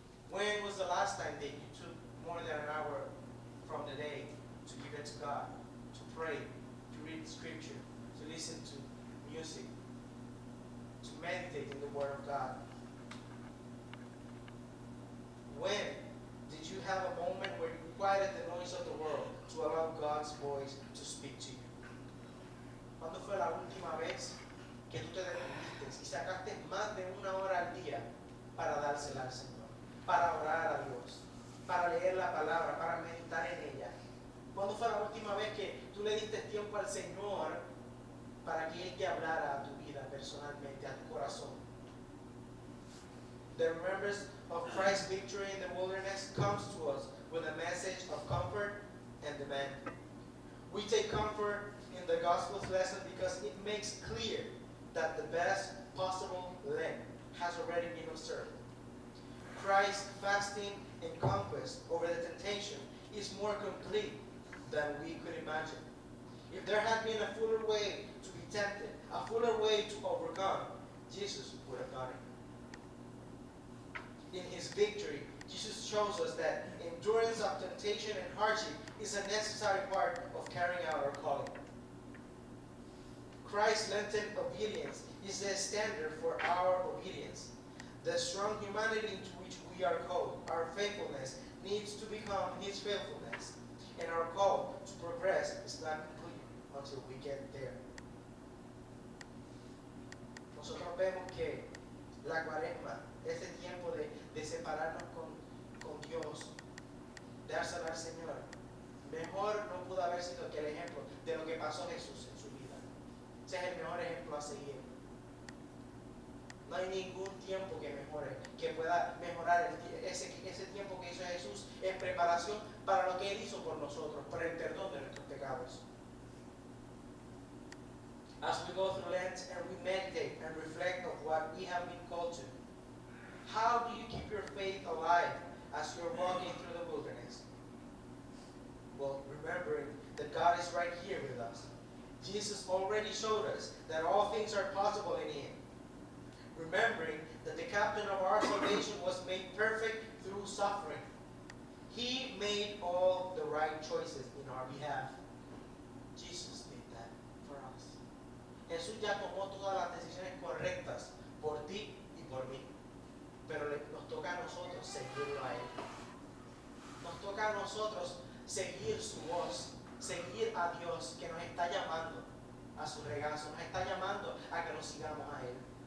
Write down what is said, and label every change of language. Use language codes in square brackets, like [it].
[en] When was the last time that you took more than an hour from the day to give it to God, to pray, to read scripture, to listen to music, to meditate in the Word of God? When did you have a moment where you quieted the noise of the world to allow God's voice to speak to you? [es] ¿Cuándo fue la última vez que tú te detuviste y sacaste más de una hora al día para dársela al Señor, para orar a Dios, para leer la palabra, para meditar en ella? ¿Cuándo fue la última vez que tú le diste tiempo al Señor para que Él te hablara a tu vida personalmente, a tu corazón? [en] The remembrance of Christ's victory in the wilderness comes to us with a message of comfort and demand. We take comfort in the gospel's lesson because it makes clear that the best possible Lent has already been observed. Christ's fasting and conquest over the temptation is more complete than we could imagine. If there had been a fuller way to be tempted, a fuller way to overcome, Jesus would have done it. In his victory, Jesus shows us that endurance of temptation and hardship is a necessary part of carrying out our calling. Christ's Lenten obedience is the standard for our obedience. The strong humanity into which we are called, our faithfulness, needs to become his faithfulness, and our call to progress is not complete until we get there. [es] Nosotros vemos que la cuaresma, ese tiempo de separarnos con Dios, Dios, dársela al Señor, mejor no pudo haber sido que el ejemplo de lo que pasó Jesús en su vida. Ese es el mejor ejemplo a seguir. No hay ningún tiempo que mejore, que pueda mejorar ese tiempo que hizo Jesús en preparación para lo que Él hizo por nosotros, por el perdón de nuestros pecados. [en] As we go through Lent and we meditate and reflect on what we have been called to, how do you keep your faith alive as you're walking through the wilderness? Well, remembering that God is right here with us. Jesus already showed us that all things are possible in Him. Remembering that the captain of our salvation was made perfect through suffering. He made all the right choices in our behalf. Jesus did that for us. [es] Jesús ya tomó todas las decisiones correctas por ti y por mí. Pero nos toca a nosotros seguirlo a Él. Nos toca a nosotros seguir su voz, seguir a Dios que nos está llamando a su regazo, nos está llamando a que nos sigamos a Él.